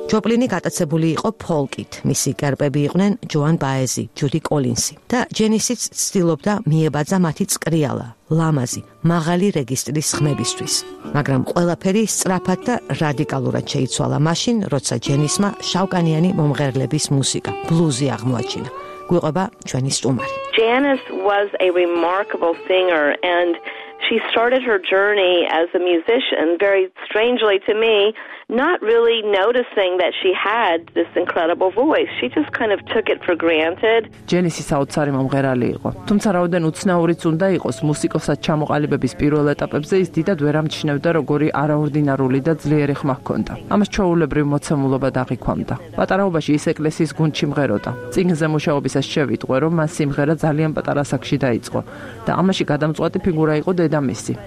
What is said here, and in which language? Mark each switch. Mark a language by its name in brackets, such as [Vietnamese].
[Georgian] ჯოპლინი გატაცებული იყო ფოლკით. მისი კერპები იყვნენ ჯოან ბაეზი, ჯუდი კოლინსი და ჯენისიც ცდილობდა მიებაძა მათი წკრიალა, ლამაზი, მაღალი რეგისტრის ხმებისთვის. მაგრამ ყველაფერი სწრაფად და რადიკალურად შეიცვალა მაშინ, როცა ჯენისმა შავკანიანი მომღერლების მუსიკა, ბლუზი აღმოაჩინა. გვიყვება ჩვენი სტუმარი. [English] Janis was a remarkable singer and she started her journey as a musician very strangely to me, not really noticing that she had this incredible voice. She just kind of took it for granted. [Georgian] Janis-ის საოცარი მომღერალი იყო. თუმცა რაოდენ უცნაურიც უნდა იყოს, მუსიკოსად ჩამოყალიბების პირველ ეტაპებზე ის დიდად ვერ ამჩნევდა, როგორი არაორდინარული და ძლიერი ხმა ჰქონდა. ამას ჩვეულებრივ მოცემულობად აღიქვამდა. პატარაობაში ის ეკლესიის გუნდში მღეროდა. წინგზე მუშაობისას შევიტყვე, რომ მას სიმღერა ძალიან პატარა საკში დაიწყო და ამაში გადამწყვეტი ფიგურა იყო დედამისი.